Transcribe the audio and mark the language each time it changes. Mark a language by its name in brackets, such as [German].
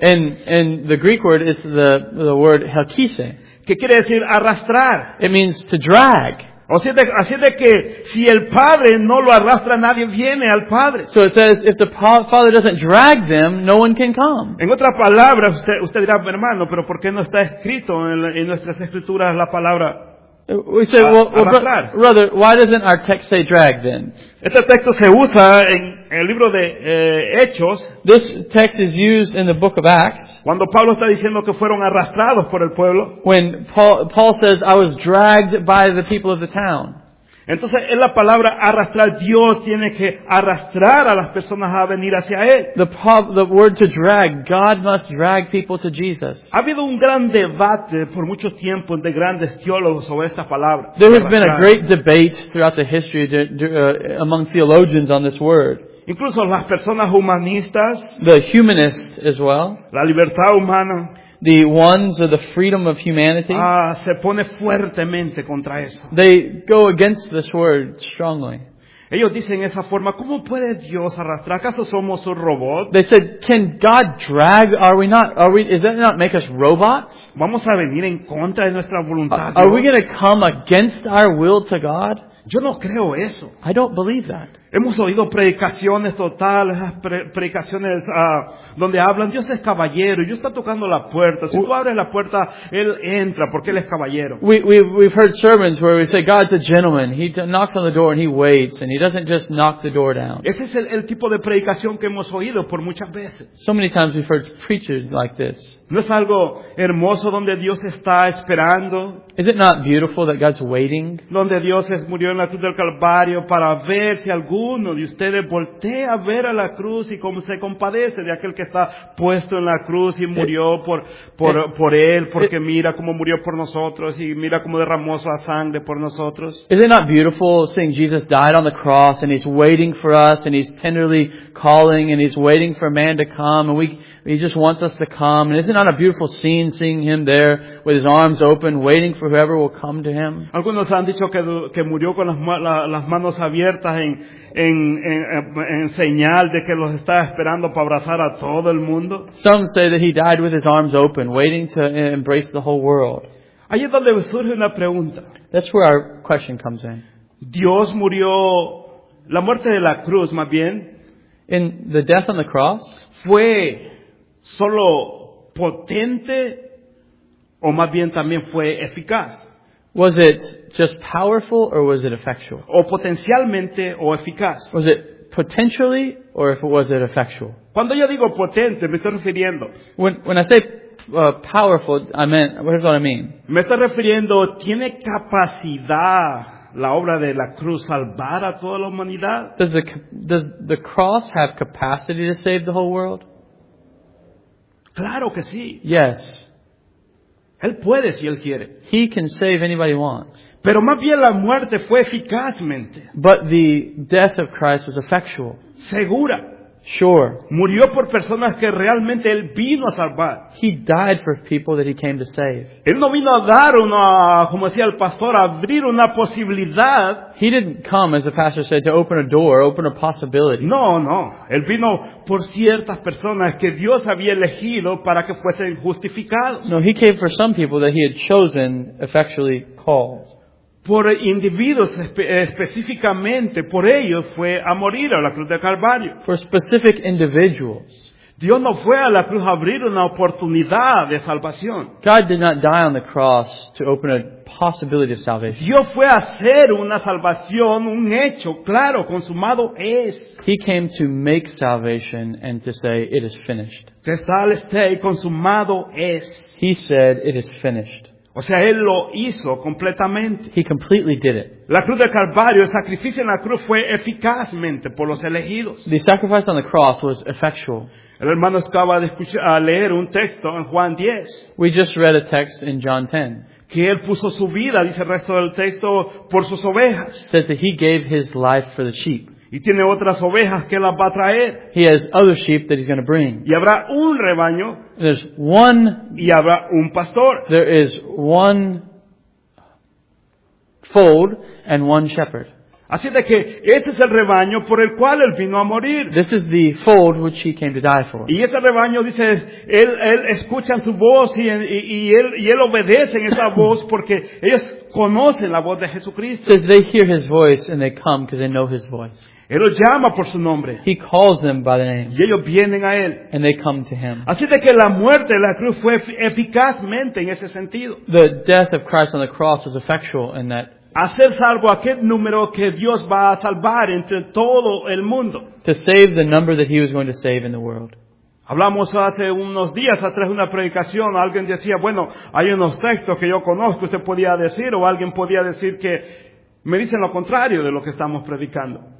[English] And the Greek word is the word helkise. [Spanish] ¿Qué quiere decir arrastrar? [English] It means to drag. [Spanish] Así de que si el Padre no lo arrastra, nadie viene al Padre. [English] So it says, if the Father doesn't drag them, no one can come. [Spanish] En otras palabras, usted dirá, hermano, pero ¿por qué no está escrito en nuestras escrituras la palabra? [English] We say, brother, why doesn't our text say drag then? [Spanish] Este texto se usa en el libro de Hechos. [English] This text is used in the book of Acts. [Spanish] Cuando Pablo está diciendo que fueron arrastrados por el pueblo. [English] When Paul says, I was dragged by the people of the town. [Spanish] Entonces, en la palabra arrastrar, Dios tiene que arrastrar a las personas a venir hacia Él. [English] The word to drag, God must drag people to Jesus. [Spanish] Ha habido un gran debate por mucho tiempo de grandes teólogos sobre esta palabra. [English] There has been a great debate throughout the history among theologians on this word. [Spanish] Incluso las personas humanistas. [English] The humanists as well. [Spanish] La libertad humana. [English] The ones of the freedom of humanity. [Spanish] Se pone fuertemente contra eso. [English] They go against this word strongly. [Spanish] Ellos dicen esa forma, ¿cómo puede Dios arrastrar? ¿Acaso somos un robot? [English] They said, can God drag? Are we not? Is that not make us robots? [Spanish] Vamos a venir en contra de nuestra voluntad. [English] Are we going to come against our will to God? [Spanish] Yo no creo eso. [English] I don't believe that. [Spanish] Hemos oído predicaciones totales, predicaciones donde hablan Dios es caballero, Dios está tocando la puerta. Si tú abres la puerta, él entra porque él es caballero. [English] We've heard sermons where we say God's a gentleman. He knocks on the door and he waits and he doesn't just knock the door down. [Spanish] Ese es el tipo de predicación que hemos oído por muchas veces. [English] So many times we've heard preachers like this. [Spanish] ¿No es algo hermoso donde Dios está esperando? [English] Is it not beautiful that God's waiting? [Spanish] Donde Dios murió en la cruz del Calvario para ver si alguno de ustedes voltea a ver a la cruz y cómo se compadece de aquel que está puesto en la cruz y murió por él, porque mira cómo murió por nosotros y mira cómo derramó su sangre por nosotros. [English] Is it not beautiful seeing Jesus died on the cross and he's waiting for us and he's tenderly calling and he's waiting for man to come and he just wants us to come? And isn't that a beautiful scene, seeing him there with his arms open, waiting for whoever will come to him? [Spanish] Algunos han dicho que murió con las manos abiertas en señal de que los está esperando para abrazar a todo el mundo. [English] Some say that he died with his arms open, waiting to embrace the whole world. [Spanish] Ahí es donde surge una pregunta. [English] That's where our question comes in. [Spanish] Dios murió, la muerte de la cruz, más bien. [English] In the death on the cross. [Spanish] Fue solo potente, o más bien también fue eficaz. [English] Was it just powerful or was it effectual? [Spanish] O potencialmente o eficaz. [English] Was it potentially or if it was it effectual? [Spanish] Cuando yo digo potente, me estoy refiriendo. [English] When I say powerful, I meant. What is what I mean? [Spanish] Me estoy refiriendo, tiene capacidad la obra de la cruz salvar a toda la humanidad. [English] Does the cross have capacity to save the whole world? [Spanish] Claro que sí. [English] Yes. [Spanish] Él puede si él quiere. [English] He can save anybody he wants. [Spanish] Pero más bien la muerte fue eficazmente. [English] But the death of Christ was effectual. [Spanish] Segura. [English] Sure. [Spanish] Murió por personas que realmente él vino a salvar. [English] He died for people that he came to save. [Spanish] Él no vino a dar una, como decía el pastor, a abrir una posibilidad. [English] He didn't come, as the pastor said, to open a door, open a possibility. [Spanish] No, no. Él vino por ciertas personas que Dios había elegido para que fuesen justificados. [English] No, he came for some people that he had chosen, effectually called. [Spanish] Por individuos específicamente, por ellos fue a morir a la cruz del Calvario. [English] For specific individuals. [Spanish] Dios no fue a la cruz a abrir una oportunidad de salvación. [English] God did not die on the cross to open a possibility of salvation. [Spanish] Dios fue a hacer una salvación, un hecho, claro, consumado es. [English] He came to make salvation and to say, it is finished. [Spanish] Tetelestai, consumado es. [English] He said, it is finished. [Spanish] O sea, él lo hizo completamente. [English] He completely did it. [Spanish] La cruz del Calvario, el sacrificio en la cruz fue eficazmente por los elegidos. [English] The sacrifice on the cross was effectual. [Spanish] El hermano acaba de leer un texto en Juan 10. [English] We just read a text in John 10. [Spanish] Que él puso su vida, dice el resto del texto, por sus ovejas. [English] Says that he gave his life for the sheep. [Spanish] Y tiene otras ovejas que las va a traer. [English] He has other sheep that he's going to bring. [Spanish] Y habrá un rebaño. [English] There's one. [Spanish] Y habrá un pastor. [English] There is one fold and one shepherd. [Spanish] Así de que este es el rebaño por el cual él vino a morir. [English] This is the fold which he came to die for. [Spanish] Y ese rebaño dice, él escucha su voz y él obedece en esa voz porque ellos conocen la voz de Jesucristo. [English] Says they hear his voice and they come because they know his voice. [Spanish] Él los llama por su nombre. [English] He calls them by their name. [Spanish] Y ellos vienen a él. [English] And they come to him. [Spanish] Así de que la muerte de la cruz fue eficazmente en ese sentido. [English] The death of Christ on the cross was effectual in that. [Spanish] Hacer salvo aquel número que Dios va a salvar entre todo el mundo. [English] To save the number that he was going to save in the world. [Spanish] Hablamos hace unos días atrás de una predicación. Alguien decía, bueno, hay unos textos que yo conozco. Usted podía decir, o alguien podía decir que me dicen lo contrario de lo que estamos predicando.